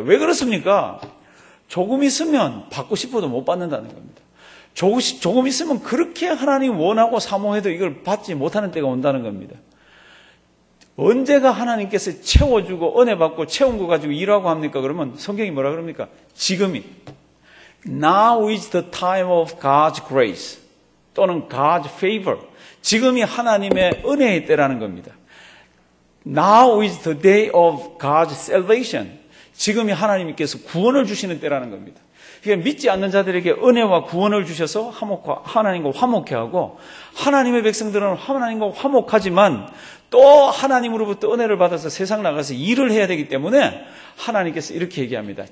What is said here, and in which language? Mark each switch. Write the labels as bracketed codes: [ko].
[ko] 왜 그렇습니까? 조금 있으면 받고 싶어도 못 받는다는 겁니다. 조금 있으면 그렇게 하나님 원하고 사모해도 이걸 받지 못하는 때가 온다는 겁니다. 언제가 하나님께서 채워주고 은혜 받고 채운 거 가지고 일하고 합니까? 그러면 성경이 뭐라 그럽니까? 지금이. [en] Now is the time of God's grace. [ko] 또는 [en] God's favor. [ko] 지금이 하나님의 은혜의 때라는 겁니다. [en] Now is the day of God's salvation. [ko] 지금이 하나님께서 구원을 주시는 때라는 겁니다. 그러니까 믿지 않는 자들에게 은혜와 구원을 주셔서 하나님과 화목해 하고, 하나님의 백성들은 하나님과 화목하지만 또 하나님으로부터 은혜를 받아서 세상 나가서 일을 해야 되기 때문에 하나님께서 이렇게 얘기합니다.